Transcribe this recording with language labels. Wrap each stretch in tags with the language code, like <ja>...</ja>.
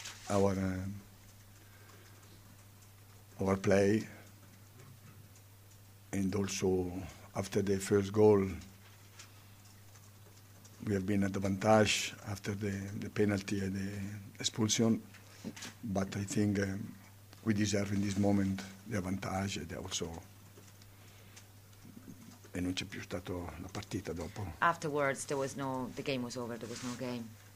<en>Our play, and also after the first goal, we have been at advantage after the penalty and the expulsion. But I think we deserve in this moment the advantage, and also.</en> <it>E non c'è più stato la partita dopo.</it> <en>Afterwards, the game was over. There was no game.</en>